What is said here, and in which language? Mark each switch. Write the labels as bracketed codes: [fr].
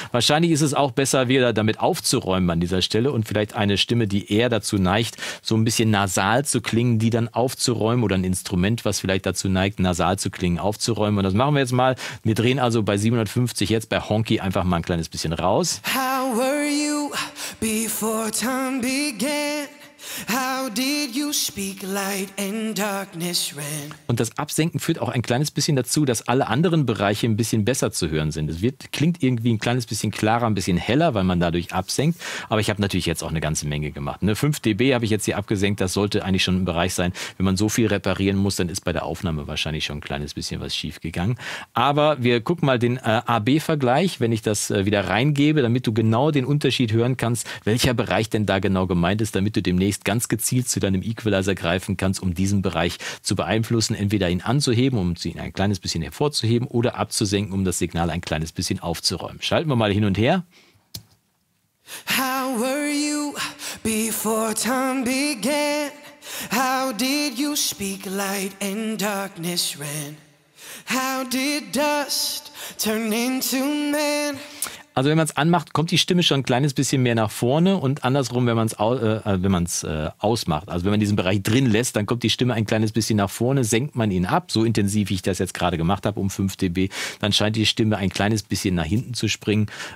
[de] Wahrscheinlich ist es auch besser, wieder damit aufzuräumen an dieser Stelle und vielleicht eine Stimme, die eher dazu neigt, so ein bisschen nasal zu klingen, die dann aufzuräumen, oder ein Instrument, was vielleicht dazu neigt, nasal zu klingen, aufzuräumen. Und das machen wir jetzt mal. Wir drehen also bei 750 jetzt bei Honky einfach mal ein kleines bisschen raus. [en] How were you before time began? How did you speak light and darkness ran? [de] Und das Absenken führt auch ein kleines bisschen dazu, dass alle anderen Bereiche ein bisschen besser zu hören sind. Es wird, klingt irgendwie ein kleines bisschen klarer, ein bisschen heller, weil man dadurch absenkt. Aber ich habe natürlich jetzt auch eine ganze Menge gemacht. 5 dB habe ich jetzt hier abgesenkt. Das sollte eigentlich schon ein Bereich sein. Wenn man so viel reparieren muss, dann ist bei der Aufnahme wahrscheinlich schon ein kleines bisschen was schief gegangen. Aber wir gucken mal den AB-Vergleich, wenn ich das wieder reingebe, damit du genau den Unterschied hören kannst, welcher Bereich denn da genau gemeint ist, damit du demnächst ganz gezielt zu deinem Equalizer greifen kannst, um diesen Bereich zu beeinflussen, entweder ihn anzuheben, um ihn ein kleines bisschen hervorzuheben, oder abzusenken, um das Signal ein kleines bisschen aufzuräumen. Schalten wir mal hin und her. [en] How were you before time began? How did you speak light and darkness ran? How did dust turn into man? [de] Also wenn man es anmacht, kommt die Stimme schon ein kleines bisschen mehr nach vorne, und andersrum, wenn man es ausmacht, also wenn man diesen Bereich drin lässt, dann kommt die Stimme ein kleines bisschen nach vorne, senkt man ihn ab, so intensiv, wie ich das jetzt gerade gemacht habe, um 5 dB, dann scheint die Stimme ein kleines bisschen nach hinten zu springen.